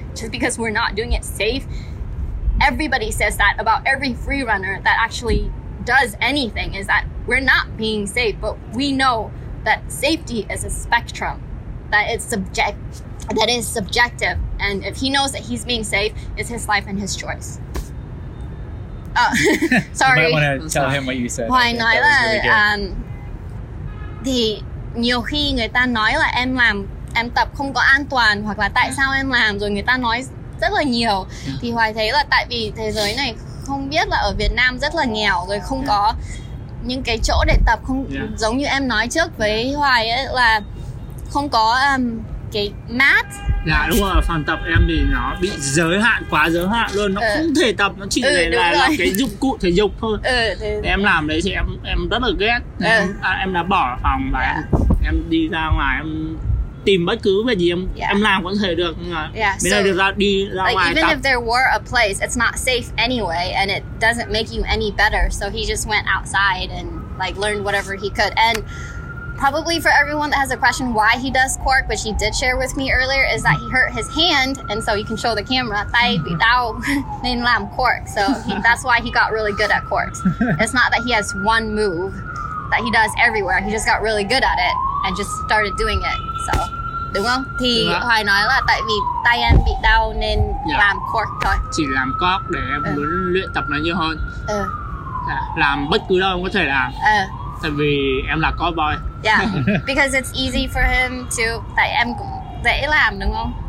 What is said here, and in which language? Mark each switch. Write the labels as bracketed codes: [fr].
[en] Just because we're not doing it safe? Everybody says that about every free runner that actually does anything, is that we're not being safe, but we know that safety is a spectrum, that it's subject, that is subjective. And if he knows that he's being safe, it's his life and his choice. Oh, sorry. You might want to tell him what you said. [vi] Ngoài nói là, thì nhiều khi người ta nói là em làm, em tập không có an toàn hoặc là tại sao em làm rồi người ta nói rất là nhiều. Thì Hoài thấy là tại vì thế giới này không biết là ở Việt Nam rất là nghèo rồi không có những cái chỗ để tập không giống như em nói trước với Hoài ấy là không có cái mat. Dạ đúng rồi, phòng tập em thì nó bị giới hạn, quá giới hạn luôn, nó không thể tập, nó chỉ là cái dụng cụ thể dục thôi. Em làm đấy thì em rất là ghét. Em đã bỏ phòng và em đi ra ngoài em tìm bất cứ về gì em em làm cũng thể được. Bây giờ được ra đi ra [en] like, [vi] ngoài [en] even [vi] tập. [en] Even if there were a place, it's not safe anyway and it doesn't make you any better. So he just went outside and like learned whatever he could. And probably for everyone that has a question why he does cork, which he did share with me earlier, is that he hurt his hand, and so you can show the camera. [vi] Tay bị đau nên làm cork, [en] so that's why he got really good at cork. It's not that he has one move that he does everywhere. He just got really good at it and just started doing it. [vi] So, đúng không? Thì Hoài nói là tại vì tay em bị đau nên làm cork thôi. Chỉ làm cork để em muốn luyện tập nó nhiều hơn. Làm bất cứ đâu em có thể làm. Tại vì em là cork boy. [en] Yeah, because it's easy for him to. [vi] Tại em cũng dễ làm đúng không?